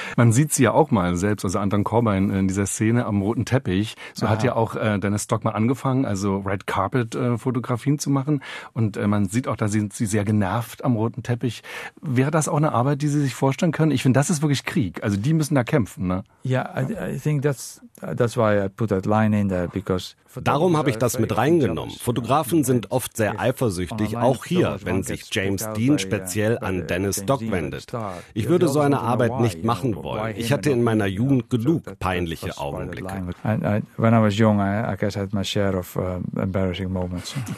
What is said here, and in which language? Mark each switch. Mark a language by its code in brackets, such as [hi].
[de] Man sieht sie ja auch mal selbst, also Anton Corbijn in dieser Szene am roten Teppich. So hat ja auch Dennis Dogma mal angefangen, also Red Carpet Fotografien zu machen. Und man sieht auch, da sind sie sehr genervt am roten Teppich. Wäre das auch eine Arbeit, die Sie sich vorstellen können? Ich finde, das ist wirklich Krieg. Also die müssen da kämpfen, ne? [en] Ja, I think that's why I put that line in there, because [de] darum habe ich das mit reingenommen. Fotografen sind oft sehr eifersüchtig, auch hier, wenn sich James Dean speziell an Dennis Dogg wendet. Ich würde so eine Arbeit nicht machen wollen. Ich hatte in meiner Jugend genug peinliche Augenblicke. [en] When I was young, I guess I had my share of embarrassing moments.